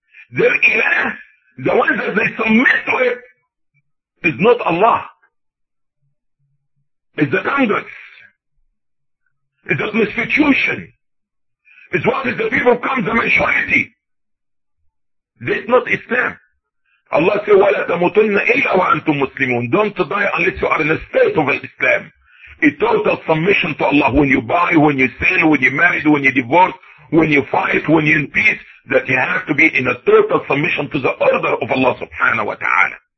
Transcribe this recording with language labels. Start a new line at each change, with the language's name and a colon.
English: Their ilah, the one that they submit to it, is not Allah. It's the Congress. It's the constitution. It's what is the people come, the majority. This is not Islam. Allah says,
Arabic: وَلَا تَمُتُنَّ إِلَّا وَأَنْتُمْ مُسْلِمُونَ.
English: Don't die unless you are in a state of Islam. A total submission to Allah. When you buy, when you sell, when you marry, when you divorce, when you fight, when you're in peace, that you have to be in a total submission to the order of Allah subhanahu wa ta'ala.